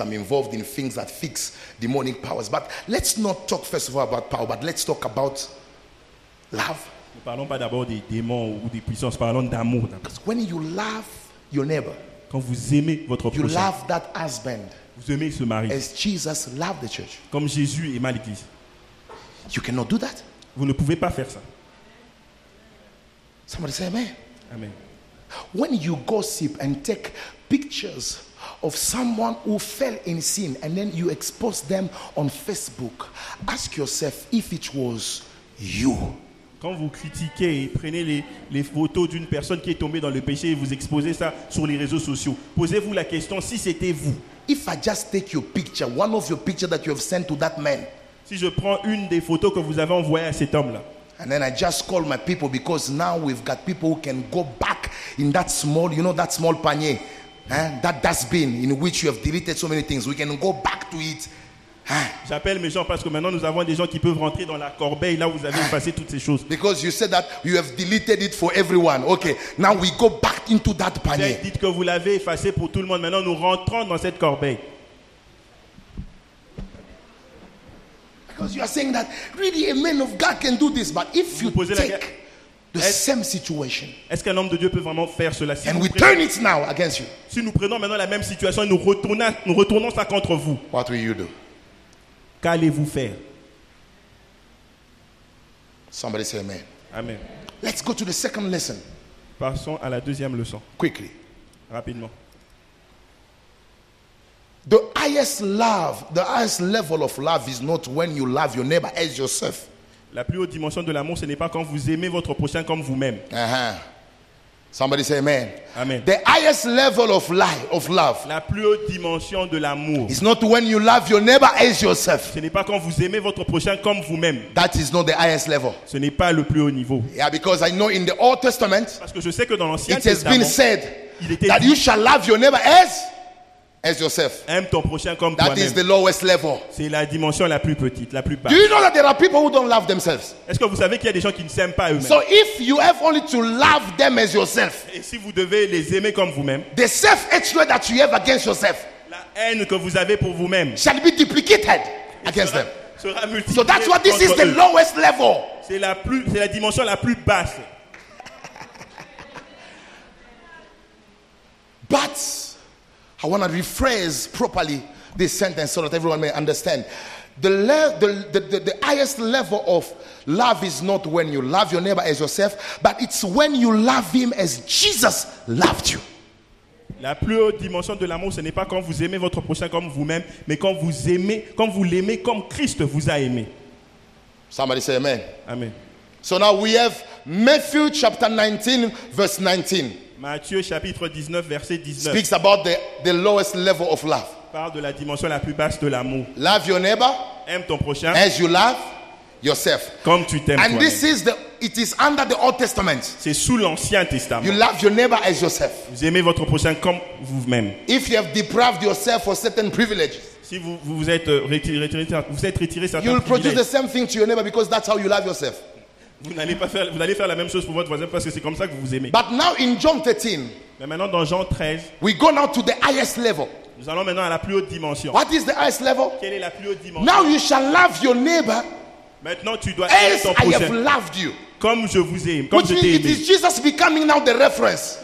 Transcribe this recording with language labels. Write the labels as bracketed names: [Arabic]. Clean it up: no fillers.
[English] I'm involved in things that fix demonic powers. But let's not talk first of all about power. But let's talk about love. [French] Ne parlons pas d'abord des démons ou des puissances, parlons d'amour. [English] Because when you love your neighbor, [French] quand vous aimez votre prochain, [English] you love that husband, [French] vous aimez ce mari, [English] as Jesus loved the church, [French] comme Jésus aima l'église, [English] you cannot do that. [French] Vous ne pouvez pas faire ça. [English] Somebody say amen. Amen. When you gossip and take pictures of someone who fell in sin and then you expose them on Facebook, ask yourself if it was you. [French] Quand vous critiquez et prenez les photos d'une personne qui est tombée dans le péché et vous exposez ça sur les réseaux sociaux, posez-vous la question si c'était vous. [English] If I just take your picture, one of your pictures that you have sent to that man. [French] Si je prends une des photos que vous avez envoyées à cet homme-là. [English] And then I just call my people because now we've got people who can go back in that small, you know, that small [French] panier, hein, [English] that dustbin in which you have deleted so many things. We can go back to it. [French] J'appelle mes gens parce que maintenant nous avons des gens qui peuvent rentrer dans la corbeille là où vous avez effacé toutes ces choses. [English] Because you said that you have deleted it for everyone. Okay, now we go back into that panier. [French] Dites que vous l'avez effacé pour tout le monde. Maintenant nous rentrons dans cette corbeille. [English] Because you are saying that really a man of God can do this, but if you take the same situation, [French] est-ce qu'un homme de Dieu peut vraiment faire cela? [English] Si and we turn it now against you. [French] Si nous prenons maintenant la même situation et nous retournons ça contre vous. [English] What will you do? [French] Qu'allez-vous faire? [English] Somebody say amen. Amen. Let's go to the second lesson. [French] Passons à la deuxième leçon. [English] Quickly. [French] Rapidement. [English] The highest love, the highest level of love is not when you love your neighbor as yourself. [French] La plus haute dimension de l'amour, ce n'est pas quand vous aimez votre prochain comme vous-même. [English] Uh-huh. Somebody say amen. Amen. The highest level of life of love. [French] La plus haute dimension de l'amour. [English] It's not when you love your neighbor as yourself. [French] Ce n'est pas quand vous aimez votre prochain comme vous-même. [English] That is not the highest level. [French] Ce n'est pas le plus haut niveau. [English] Yeah, because I know in the Old Testament. [French] Parce que je sais que dans l'Ancien Testament. [English] It has been said that you shall love your neighbor as yourself. [French] Aime ton prochain comme [English] that [French] toi-même. [English] That is the lowest level. [French] C'est la dimension la plus petite, la plus basse. [English] Do you know that there are people who don't love themselves? [French] Est-ce que vous savez qu'il y a des gens qui ne s'aiment pas eux-mêmes? [English] So if you have only to love them as yourself. [French] Et si vous devez les aimer comme vous-même? [English] The self-hatred that you have against yourself. [French] La haine que vous avez pour vous-même. [English] Shall be duplicated against them. [French] Sera multiplié. [English] So that's what this is, the lowest level. [French] C'est la dimension la plus basse. [English] But I want to rephrase properly this sentence so that everyone may understand. The highest level of love is not when you love your neighbor as yourself, but it's when you love him as Jesus loved you. [French] La plus haute dimension de l'amour, ce n'est pas quand vous aimez votre prochain comme vous-même, mais quand vous l'aimez comme Christ vous a aimé. [English] Somebody say amen. Amen. So now we have Matthew chapter 19, verse 19. [French] Matthieu chapitre 19 verset 19 [English] speaks about the lowest level of love. [French] Parle de la dimension la plus basse de l'amour. [English] Love your neighbor. [French] Aime ton prochain. [English] As you love yourself. [French] Comme tu t'aimes toi-même. [English] And this is it is under the Old Testament. [French] C'est sous l'Ancien Testament. [English] You love your neighbor as yourself. [French] Vous aimez votre prochain comme vous-même. [English] If you have deprived yourself of certain privileges. [French] Si vous êtes retiré certains. [English] You will produce the same thing to your neighbor because that's how you love yourself. [French] Vous allez faire la même chose pour votre voisin parce que c'est comme ça que vous vous aimez. [English] But now in John 13, [French] mais maintenant dans Jean 13, [English] we go now to the highest level. [French] Nous allons maintenant à la plus haute dimension. [English] What is the highest level? [French] Quelle est la plus haute dimension? [English] Now you shall love your neighbor. [French] Maintenant tu dois aimer ton prochain. [English] As I have loved you. [French] Comme je vous ai aimé, comme [English] which [French] je t'ai aimé. [English] It is Jesus becoming now the reference.